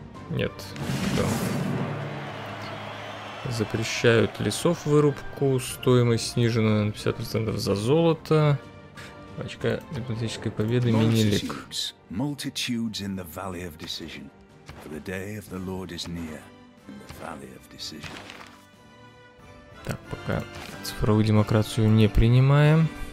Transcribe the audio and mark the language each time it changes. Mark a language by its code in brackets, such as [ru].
[ru] Нет, никто. Запрещают лесов вырубку. Стоимость снижена на 50% за золото. Очка дипломатической победы Минилик. [en] Multitudes in the valley of decision. For the day of the Lord is near in the valley of decision. [ru] Так, пока цифровую демократию не принимаем.